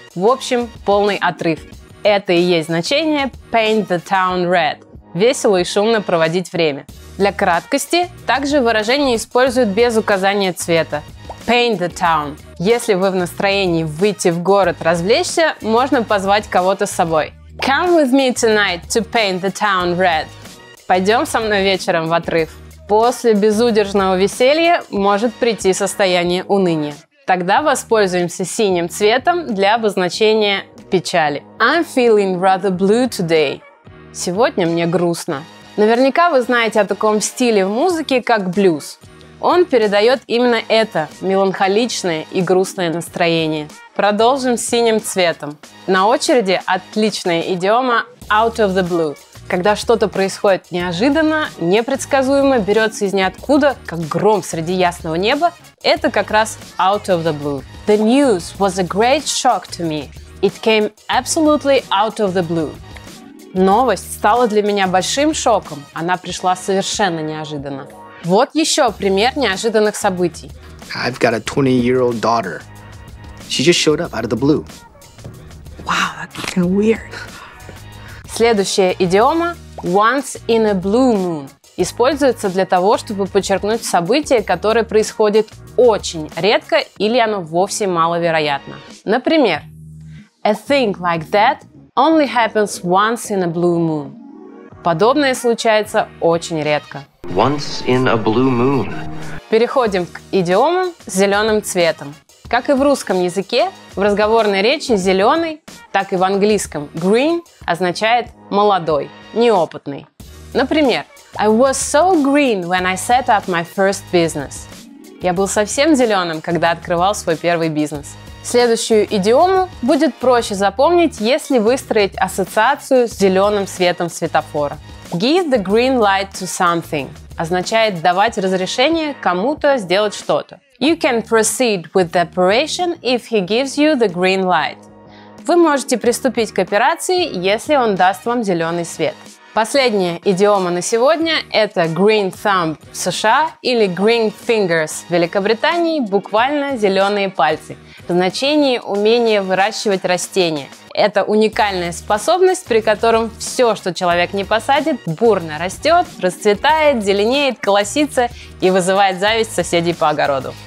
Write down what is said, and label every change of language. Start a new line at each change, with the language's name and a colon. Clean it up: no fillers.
Russian: В общем, полный отрыв. Это и есть значение
English: paint the town red.
Russian: Весело и шумно проводить время. Для краткости также выражение используют без указания цвета.
English: Paint the town.
Russian: Если вы в настроении выйти в город развлечься, можно позвать кого-то с собой.
English: Come with me tonight to paint the town red.
Russian: Пойдем со мной вечером в отрыв. После безудержного веселья может прийти состояние уныния. Тогда воспользуемся синим цветом для обозначения печали.
English: I'm feeling rather blue today.
Russian: Сегодня мне грустно. Наверняка вы знаете о таком стиле в музыке, как блюз. Он передает именно это меланхоличное и грустное настроение. Продолжим с синим цветом. На очереди отличная идиома
English: out of the blue.
Russian: Когда что-то происходит неожиданно, непредсказуемо, берется из ниоткуда, как гром среди ясного неба, это как раз
English: out of the blue. The news was a great shock to me. It came absolutely out of the blue.
Russian: Новость стала для меня большим шоком. Она пришла совершенно неожиданно. Вот еще пример неожиданных событий.
English: I've got a 20-year-old daughter. She just showed up out of the blue. Wow, that's kind of weird.
Russian: Следующая идиома
English: «once in a blue moon»
Russian: используется для того, чтобы подчеркнуть событие, которое происходит очень редко или оно вовсе маловероятно. Например,
English: «a thing like that only happens once in a blue moon».
Russian: Подобное случается очень редко.
English: «Once in a blue moon».
Russian: Переходим к идиомам с зеленым цветом. Как и в русском языке, в разговорной речи «зеленый», так и в английском «green» означает «молодой», «неопытный». Например,
English: I was so green when I set up my first business.
Russian: Я был совсем зеленым, когда открывал свой первый бизнес. Следующую идиому будет проще запомнить, если выстроить ассоциацию с зеленым светом светофора.
English: Give the green light to something
Russian: означает давать разрешение кому-то сделать что-то.
English: You can proceed with the operation if he gives you the green light.
Russian: Вы можете приступить к операции, если он даст вам зеленый свет. Последняя идиома на сегодня – это
English: green thumb
Russian: в США или
English: green fingers
Russian: в Великобритании, буквально зеленые пальцы. В значении умение выращивать растения. Это уникальная способность, при котором все, что человек не посадит, бурно растет, расцветает, зеленеет, колосится и вызывает зависть соседей по огороду.